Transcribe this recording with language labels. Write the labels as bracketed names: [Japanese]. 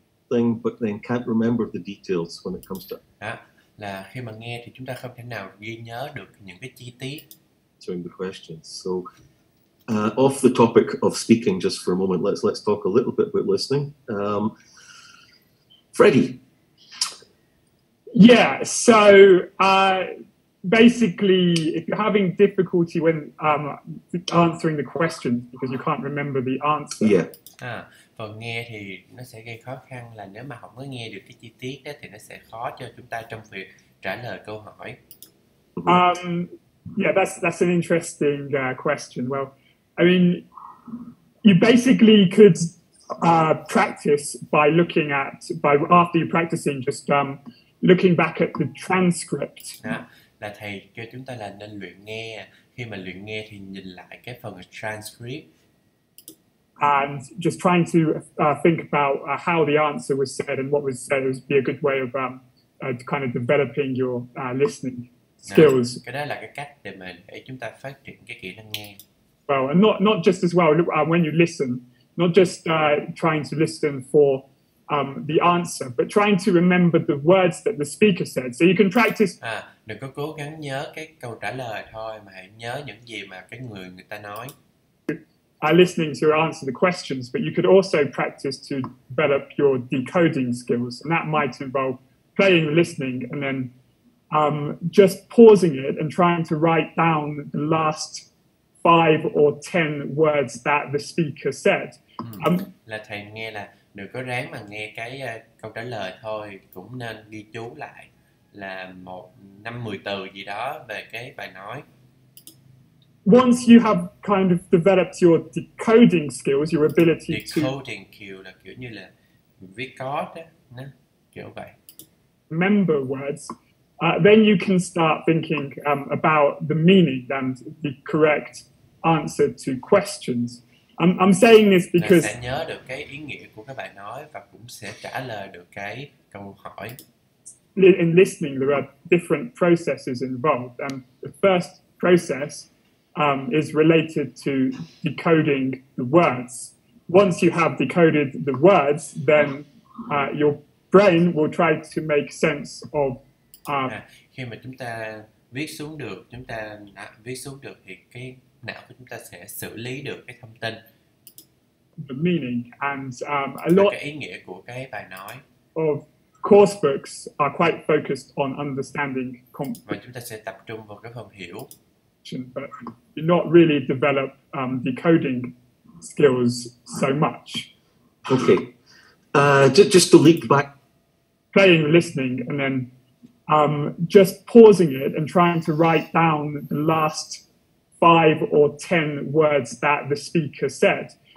[English] Thing, but then can't remember the details when it comes to. [Vietnamese] À, là khi mà nghe thì chúng ta không thể nào ghi nhớ được những cái chi tiết. [English] During the questions, so off the topic of speaking, just for a moment, let's talk a little bit about listening. Freddie. Yeah. So basically, if you're having difficulty when answering the questions because you can't remember the answer. Yeah. [Vietnamese] Còn nghe thì nó sẽ gây khó khăn là nếu mà không có nghe được cái chi tiết đó thì nó sẽ khó cho chúng ta trong việc trả lời câu hỏi. [English] Yeah, that's an interesting question. Well, I mean, you basically could practice by looking at, by after you're practicing, just looking back at the transcript. [Vietnamese] À, là thầy cho chúng ta là nên luyện nghe. Khi mà luyện nghe thì nhìn lại cái phần transcript. [English] And just trying to think about how the answer was said and what was said would be a good way of kind of developing your listening skills. [Vietnamese] Cái đó là cái cách để chúng ta phát triển cái kỹ năng nghe. [English] Well, and not just as well when you listen, not just trying to listen for the answer, but trying to remember the words that the speaker said. So you can practice. [Vietnamese] À, đừng có cố gắng nhớ cái câu trả lời thôi, mà hãy nhớ những gì mà cái người ta nói. [English] Listening to answer the questions, but you could also practice to develop your decoding skills, and that might involve playing listening and then just pausing it and trying to write down the last 5 or 10 words that the speaker said. [Vietnamese] Là thầy nghe là đừng có ráng mà nghe cái câu trả lời thôi, cũng nên ghi chú lại là 5-10 từ gì đó về cái bài nói. [English] Once you have kind of developed your decoding skills, your ability [Vietnamese] decoding skill là kiểu như là viết code, nè, kiểu vậy. [English] Remember words, then you can start thinking about the meaning and the correct answer to questions. I'm saying this because [Vietnamese] là sẽ nhớ được cái ý nghĩa của các bạn nói và cũng sẽ trả lời được cái câu hỏi. [English] In listening, there are different processes involved, and the first process is related to decoding the words. Once you have decoded the words, then your brain will try to make sense of. [Vietnamese] Khi mà chúng ta viết xuống được, chúng ta viết xuống được thì cái não của chúng ta sẽ xử lý được cái thông tin. [English] The meaning and a lot. [Vietnamese] Cái ý nghĩa của cái bài nói. [English] Of course, books are quite focused on understanding. [Vietnamese] Và chúng ta sẽ tập trung vào cái phần hiểu. [English] But you not really develop decoding skills so much. Okay. Just to leap back. Playing, listening, and then just pausing it and trying to write down the last 5 or 10 words that the speaker said.